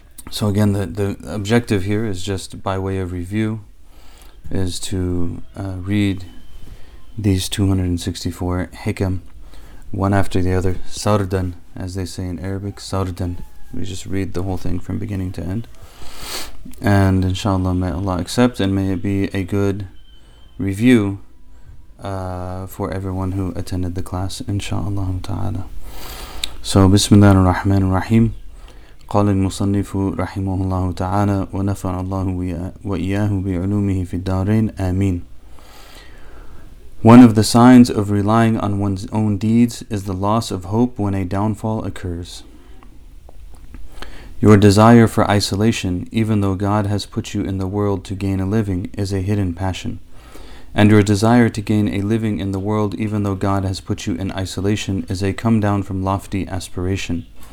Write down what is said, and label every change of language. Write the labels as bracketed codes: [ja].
[en] So again, the objective here is just by way of review, is to read these 264 hikam, one after the other, sardan, as they say in Arabic, sardan. We just read the whole thing from beginning to end. And inshallah, may Allah accept, and may it be a good review for everyone who attended the class, inshallah ta'ala. So, bismillah ar-Rahman ar-Rahim. [ar] قال المصنف رحمه الله تعالى ونفع الله وإياه بعلومه في الدارين آمين. [en] One of the signs of relying on one's own deeds is the loss of hope when a downfall occurs. Your desire for isolation, even though God has put you in the world to gain a living, is a hidden passion. And your desire to gain a living in the world, even though God has put you in isolation, is a come down from lofty aspiration.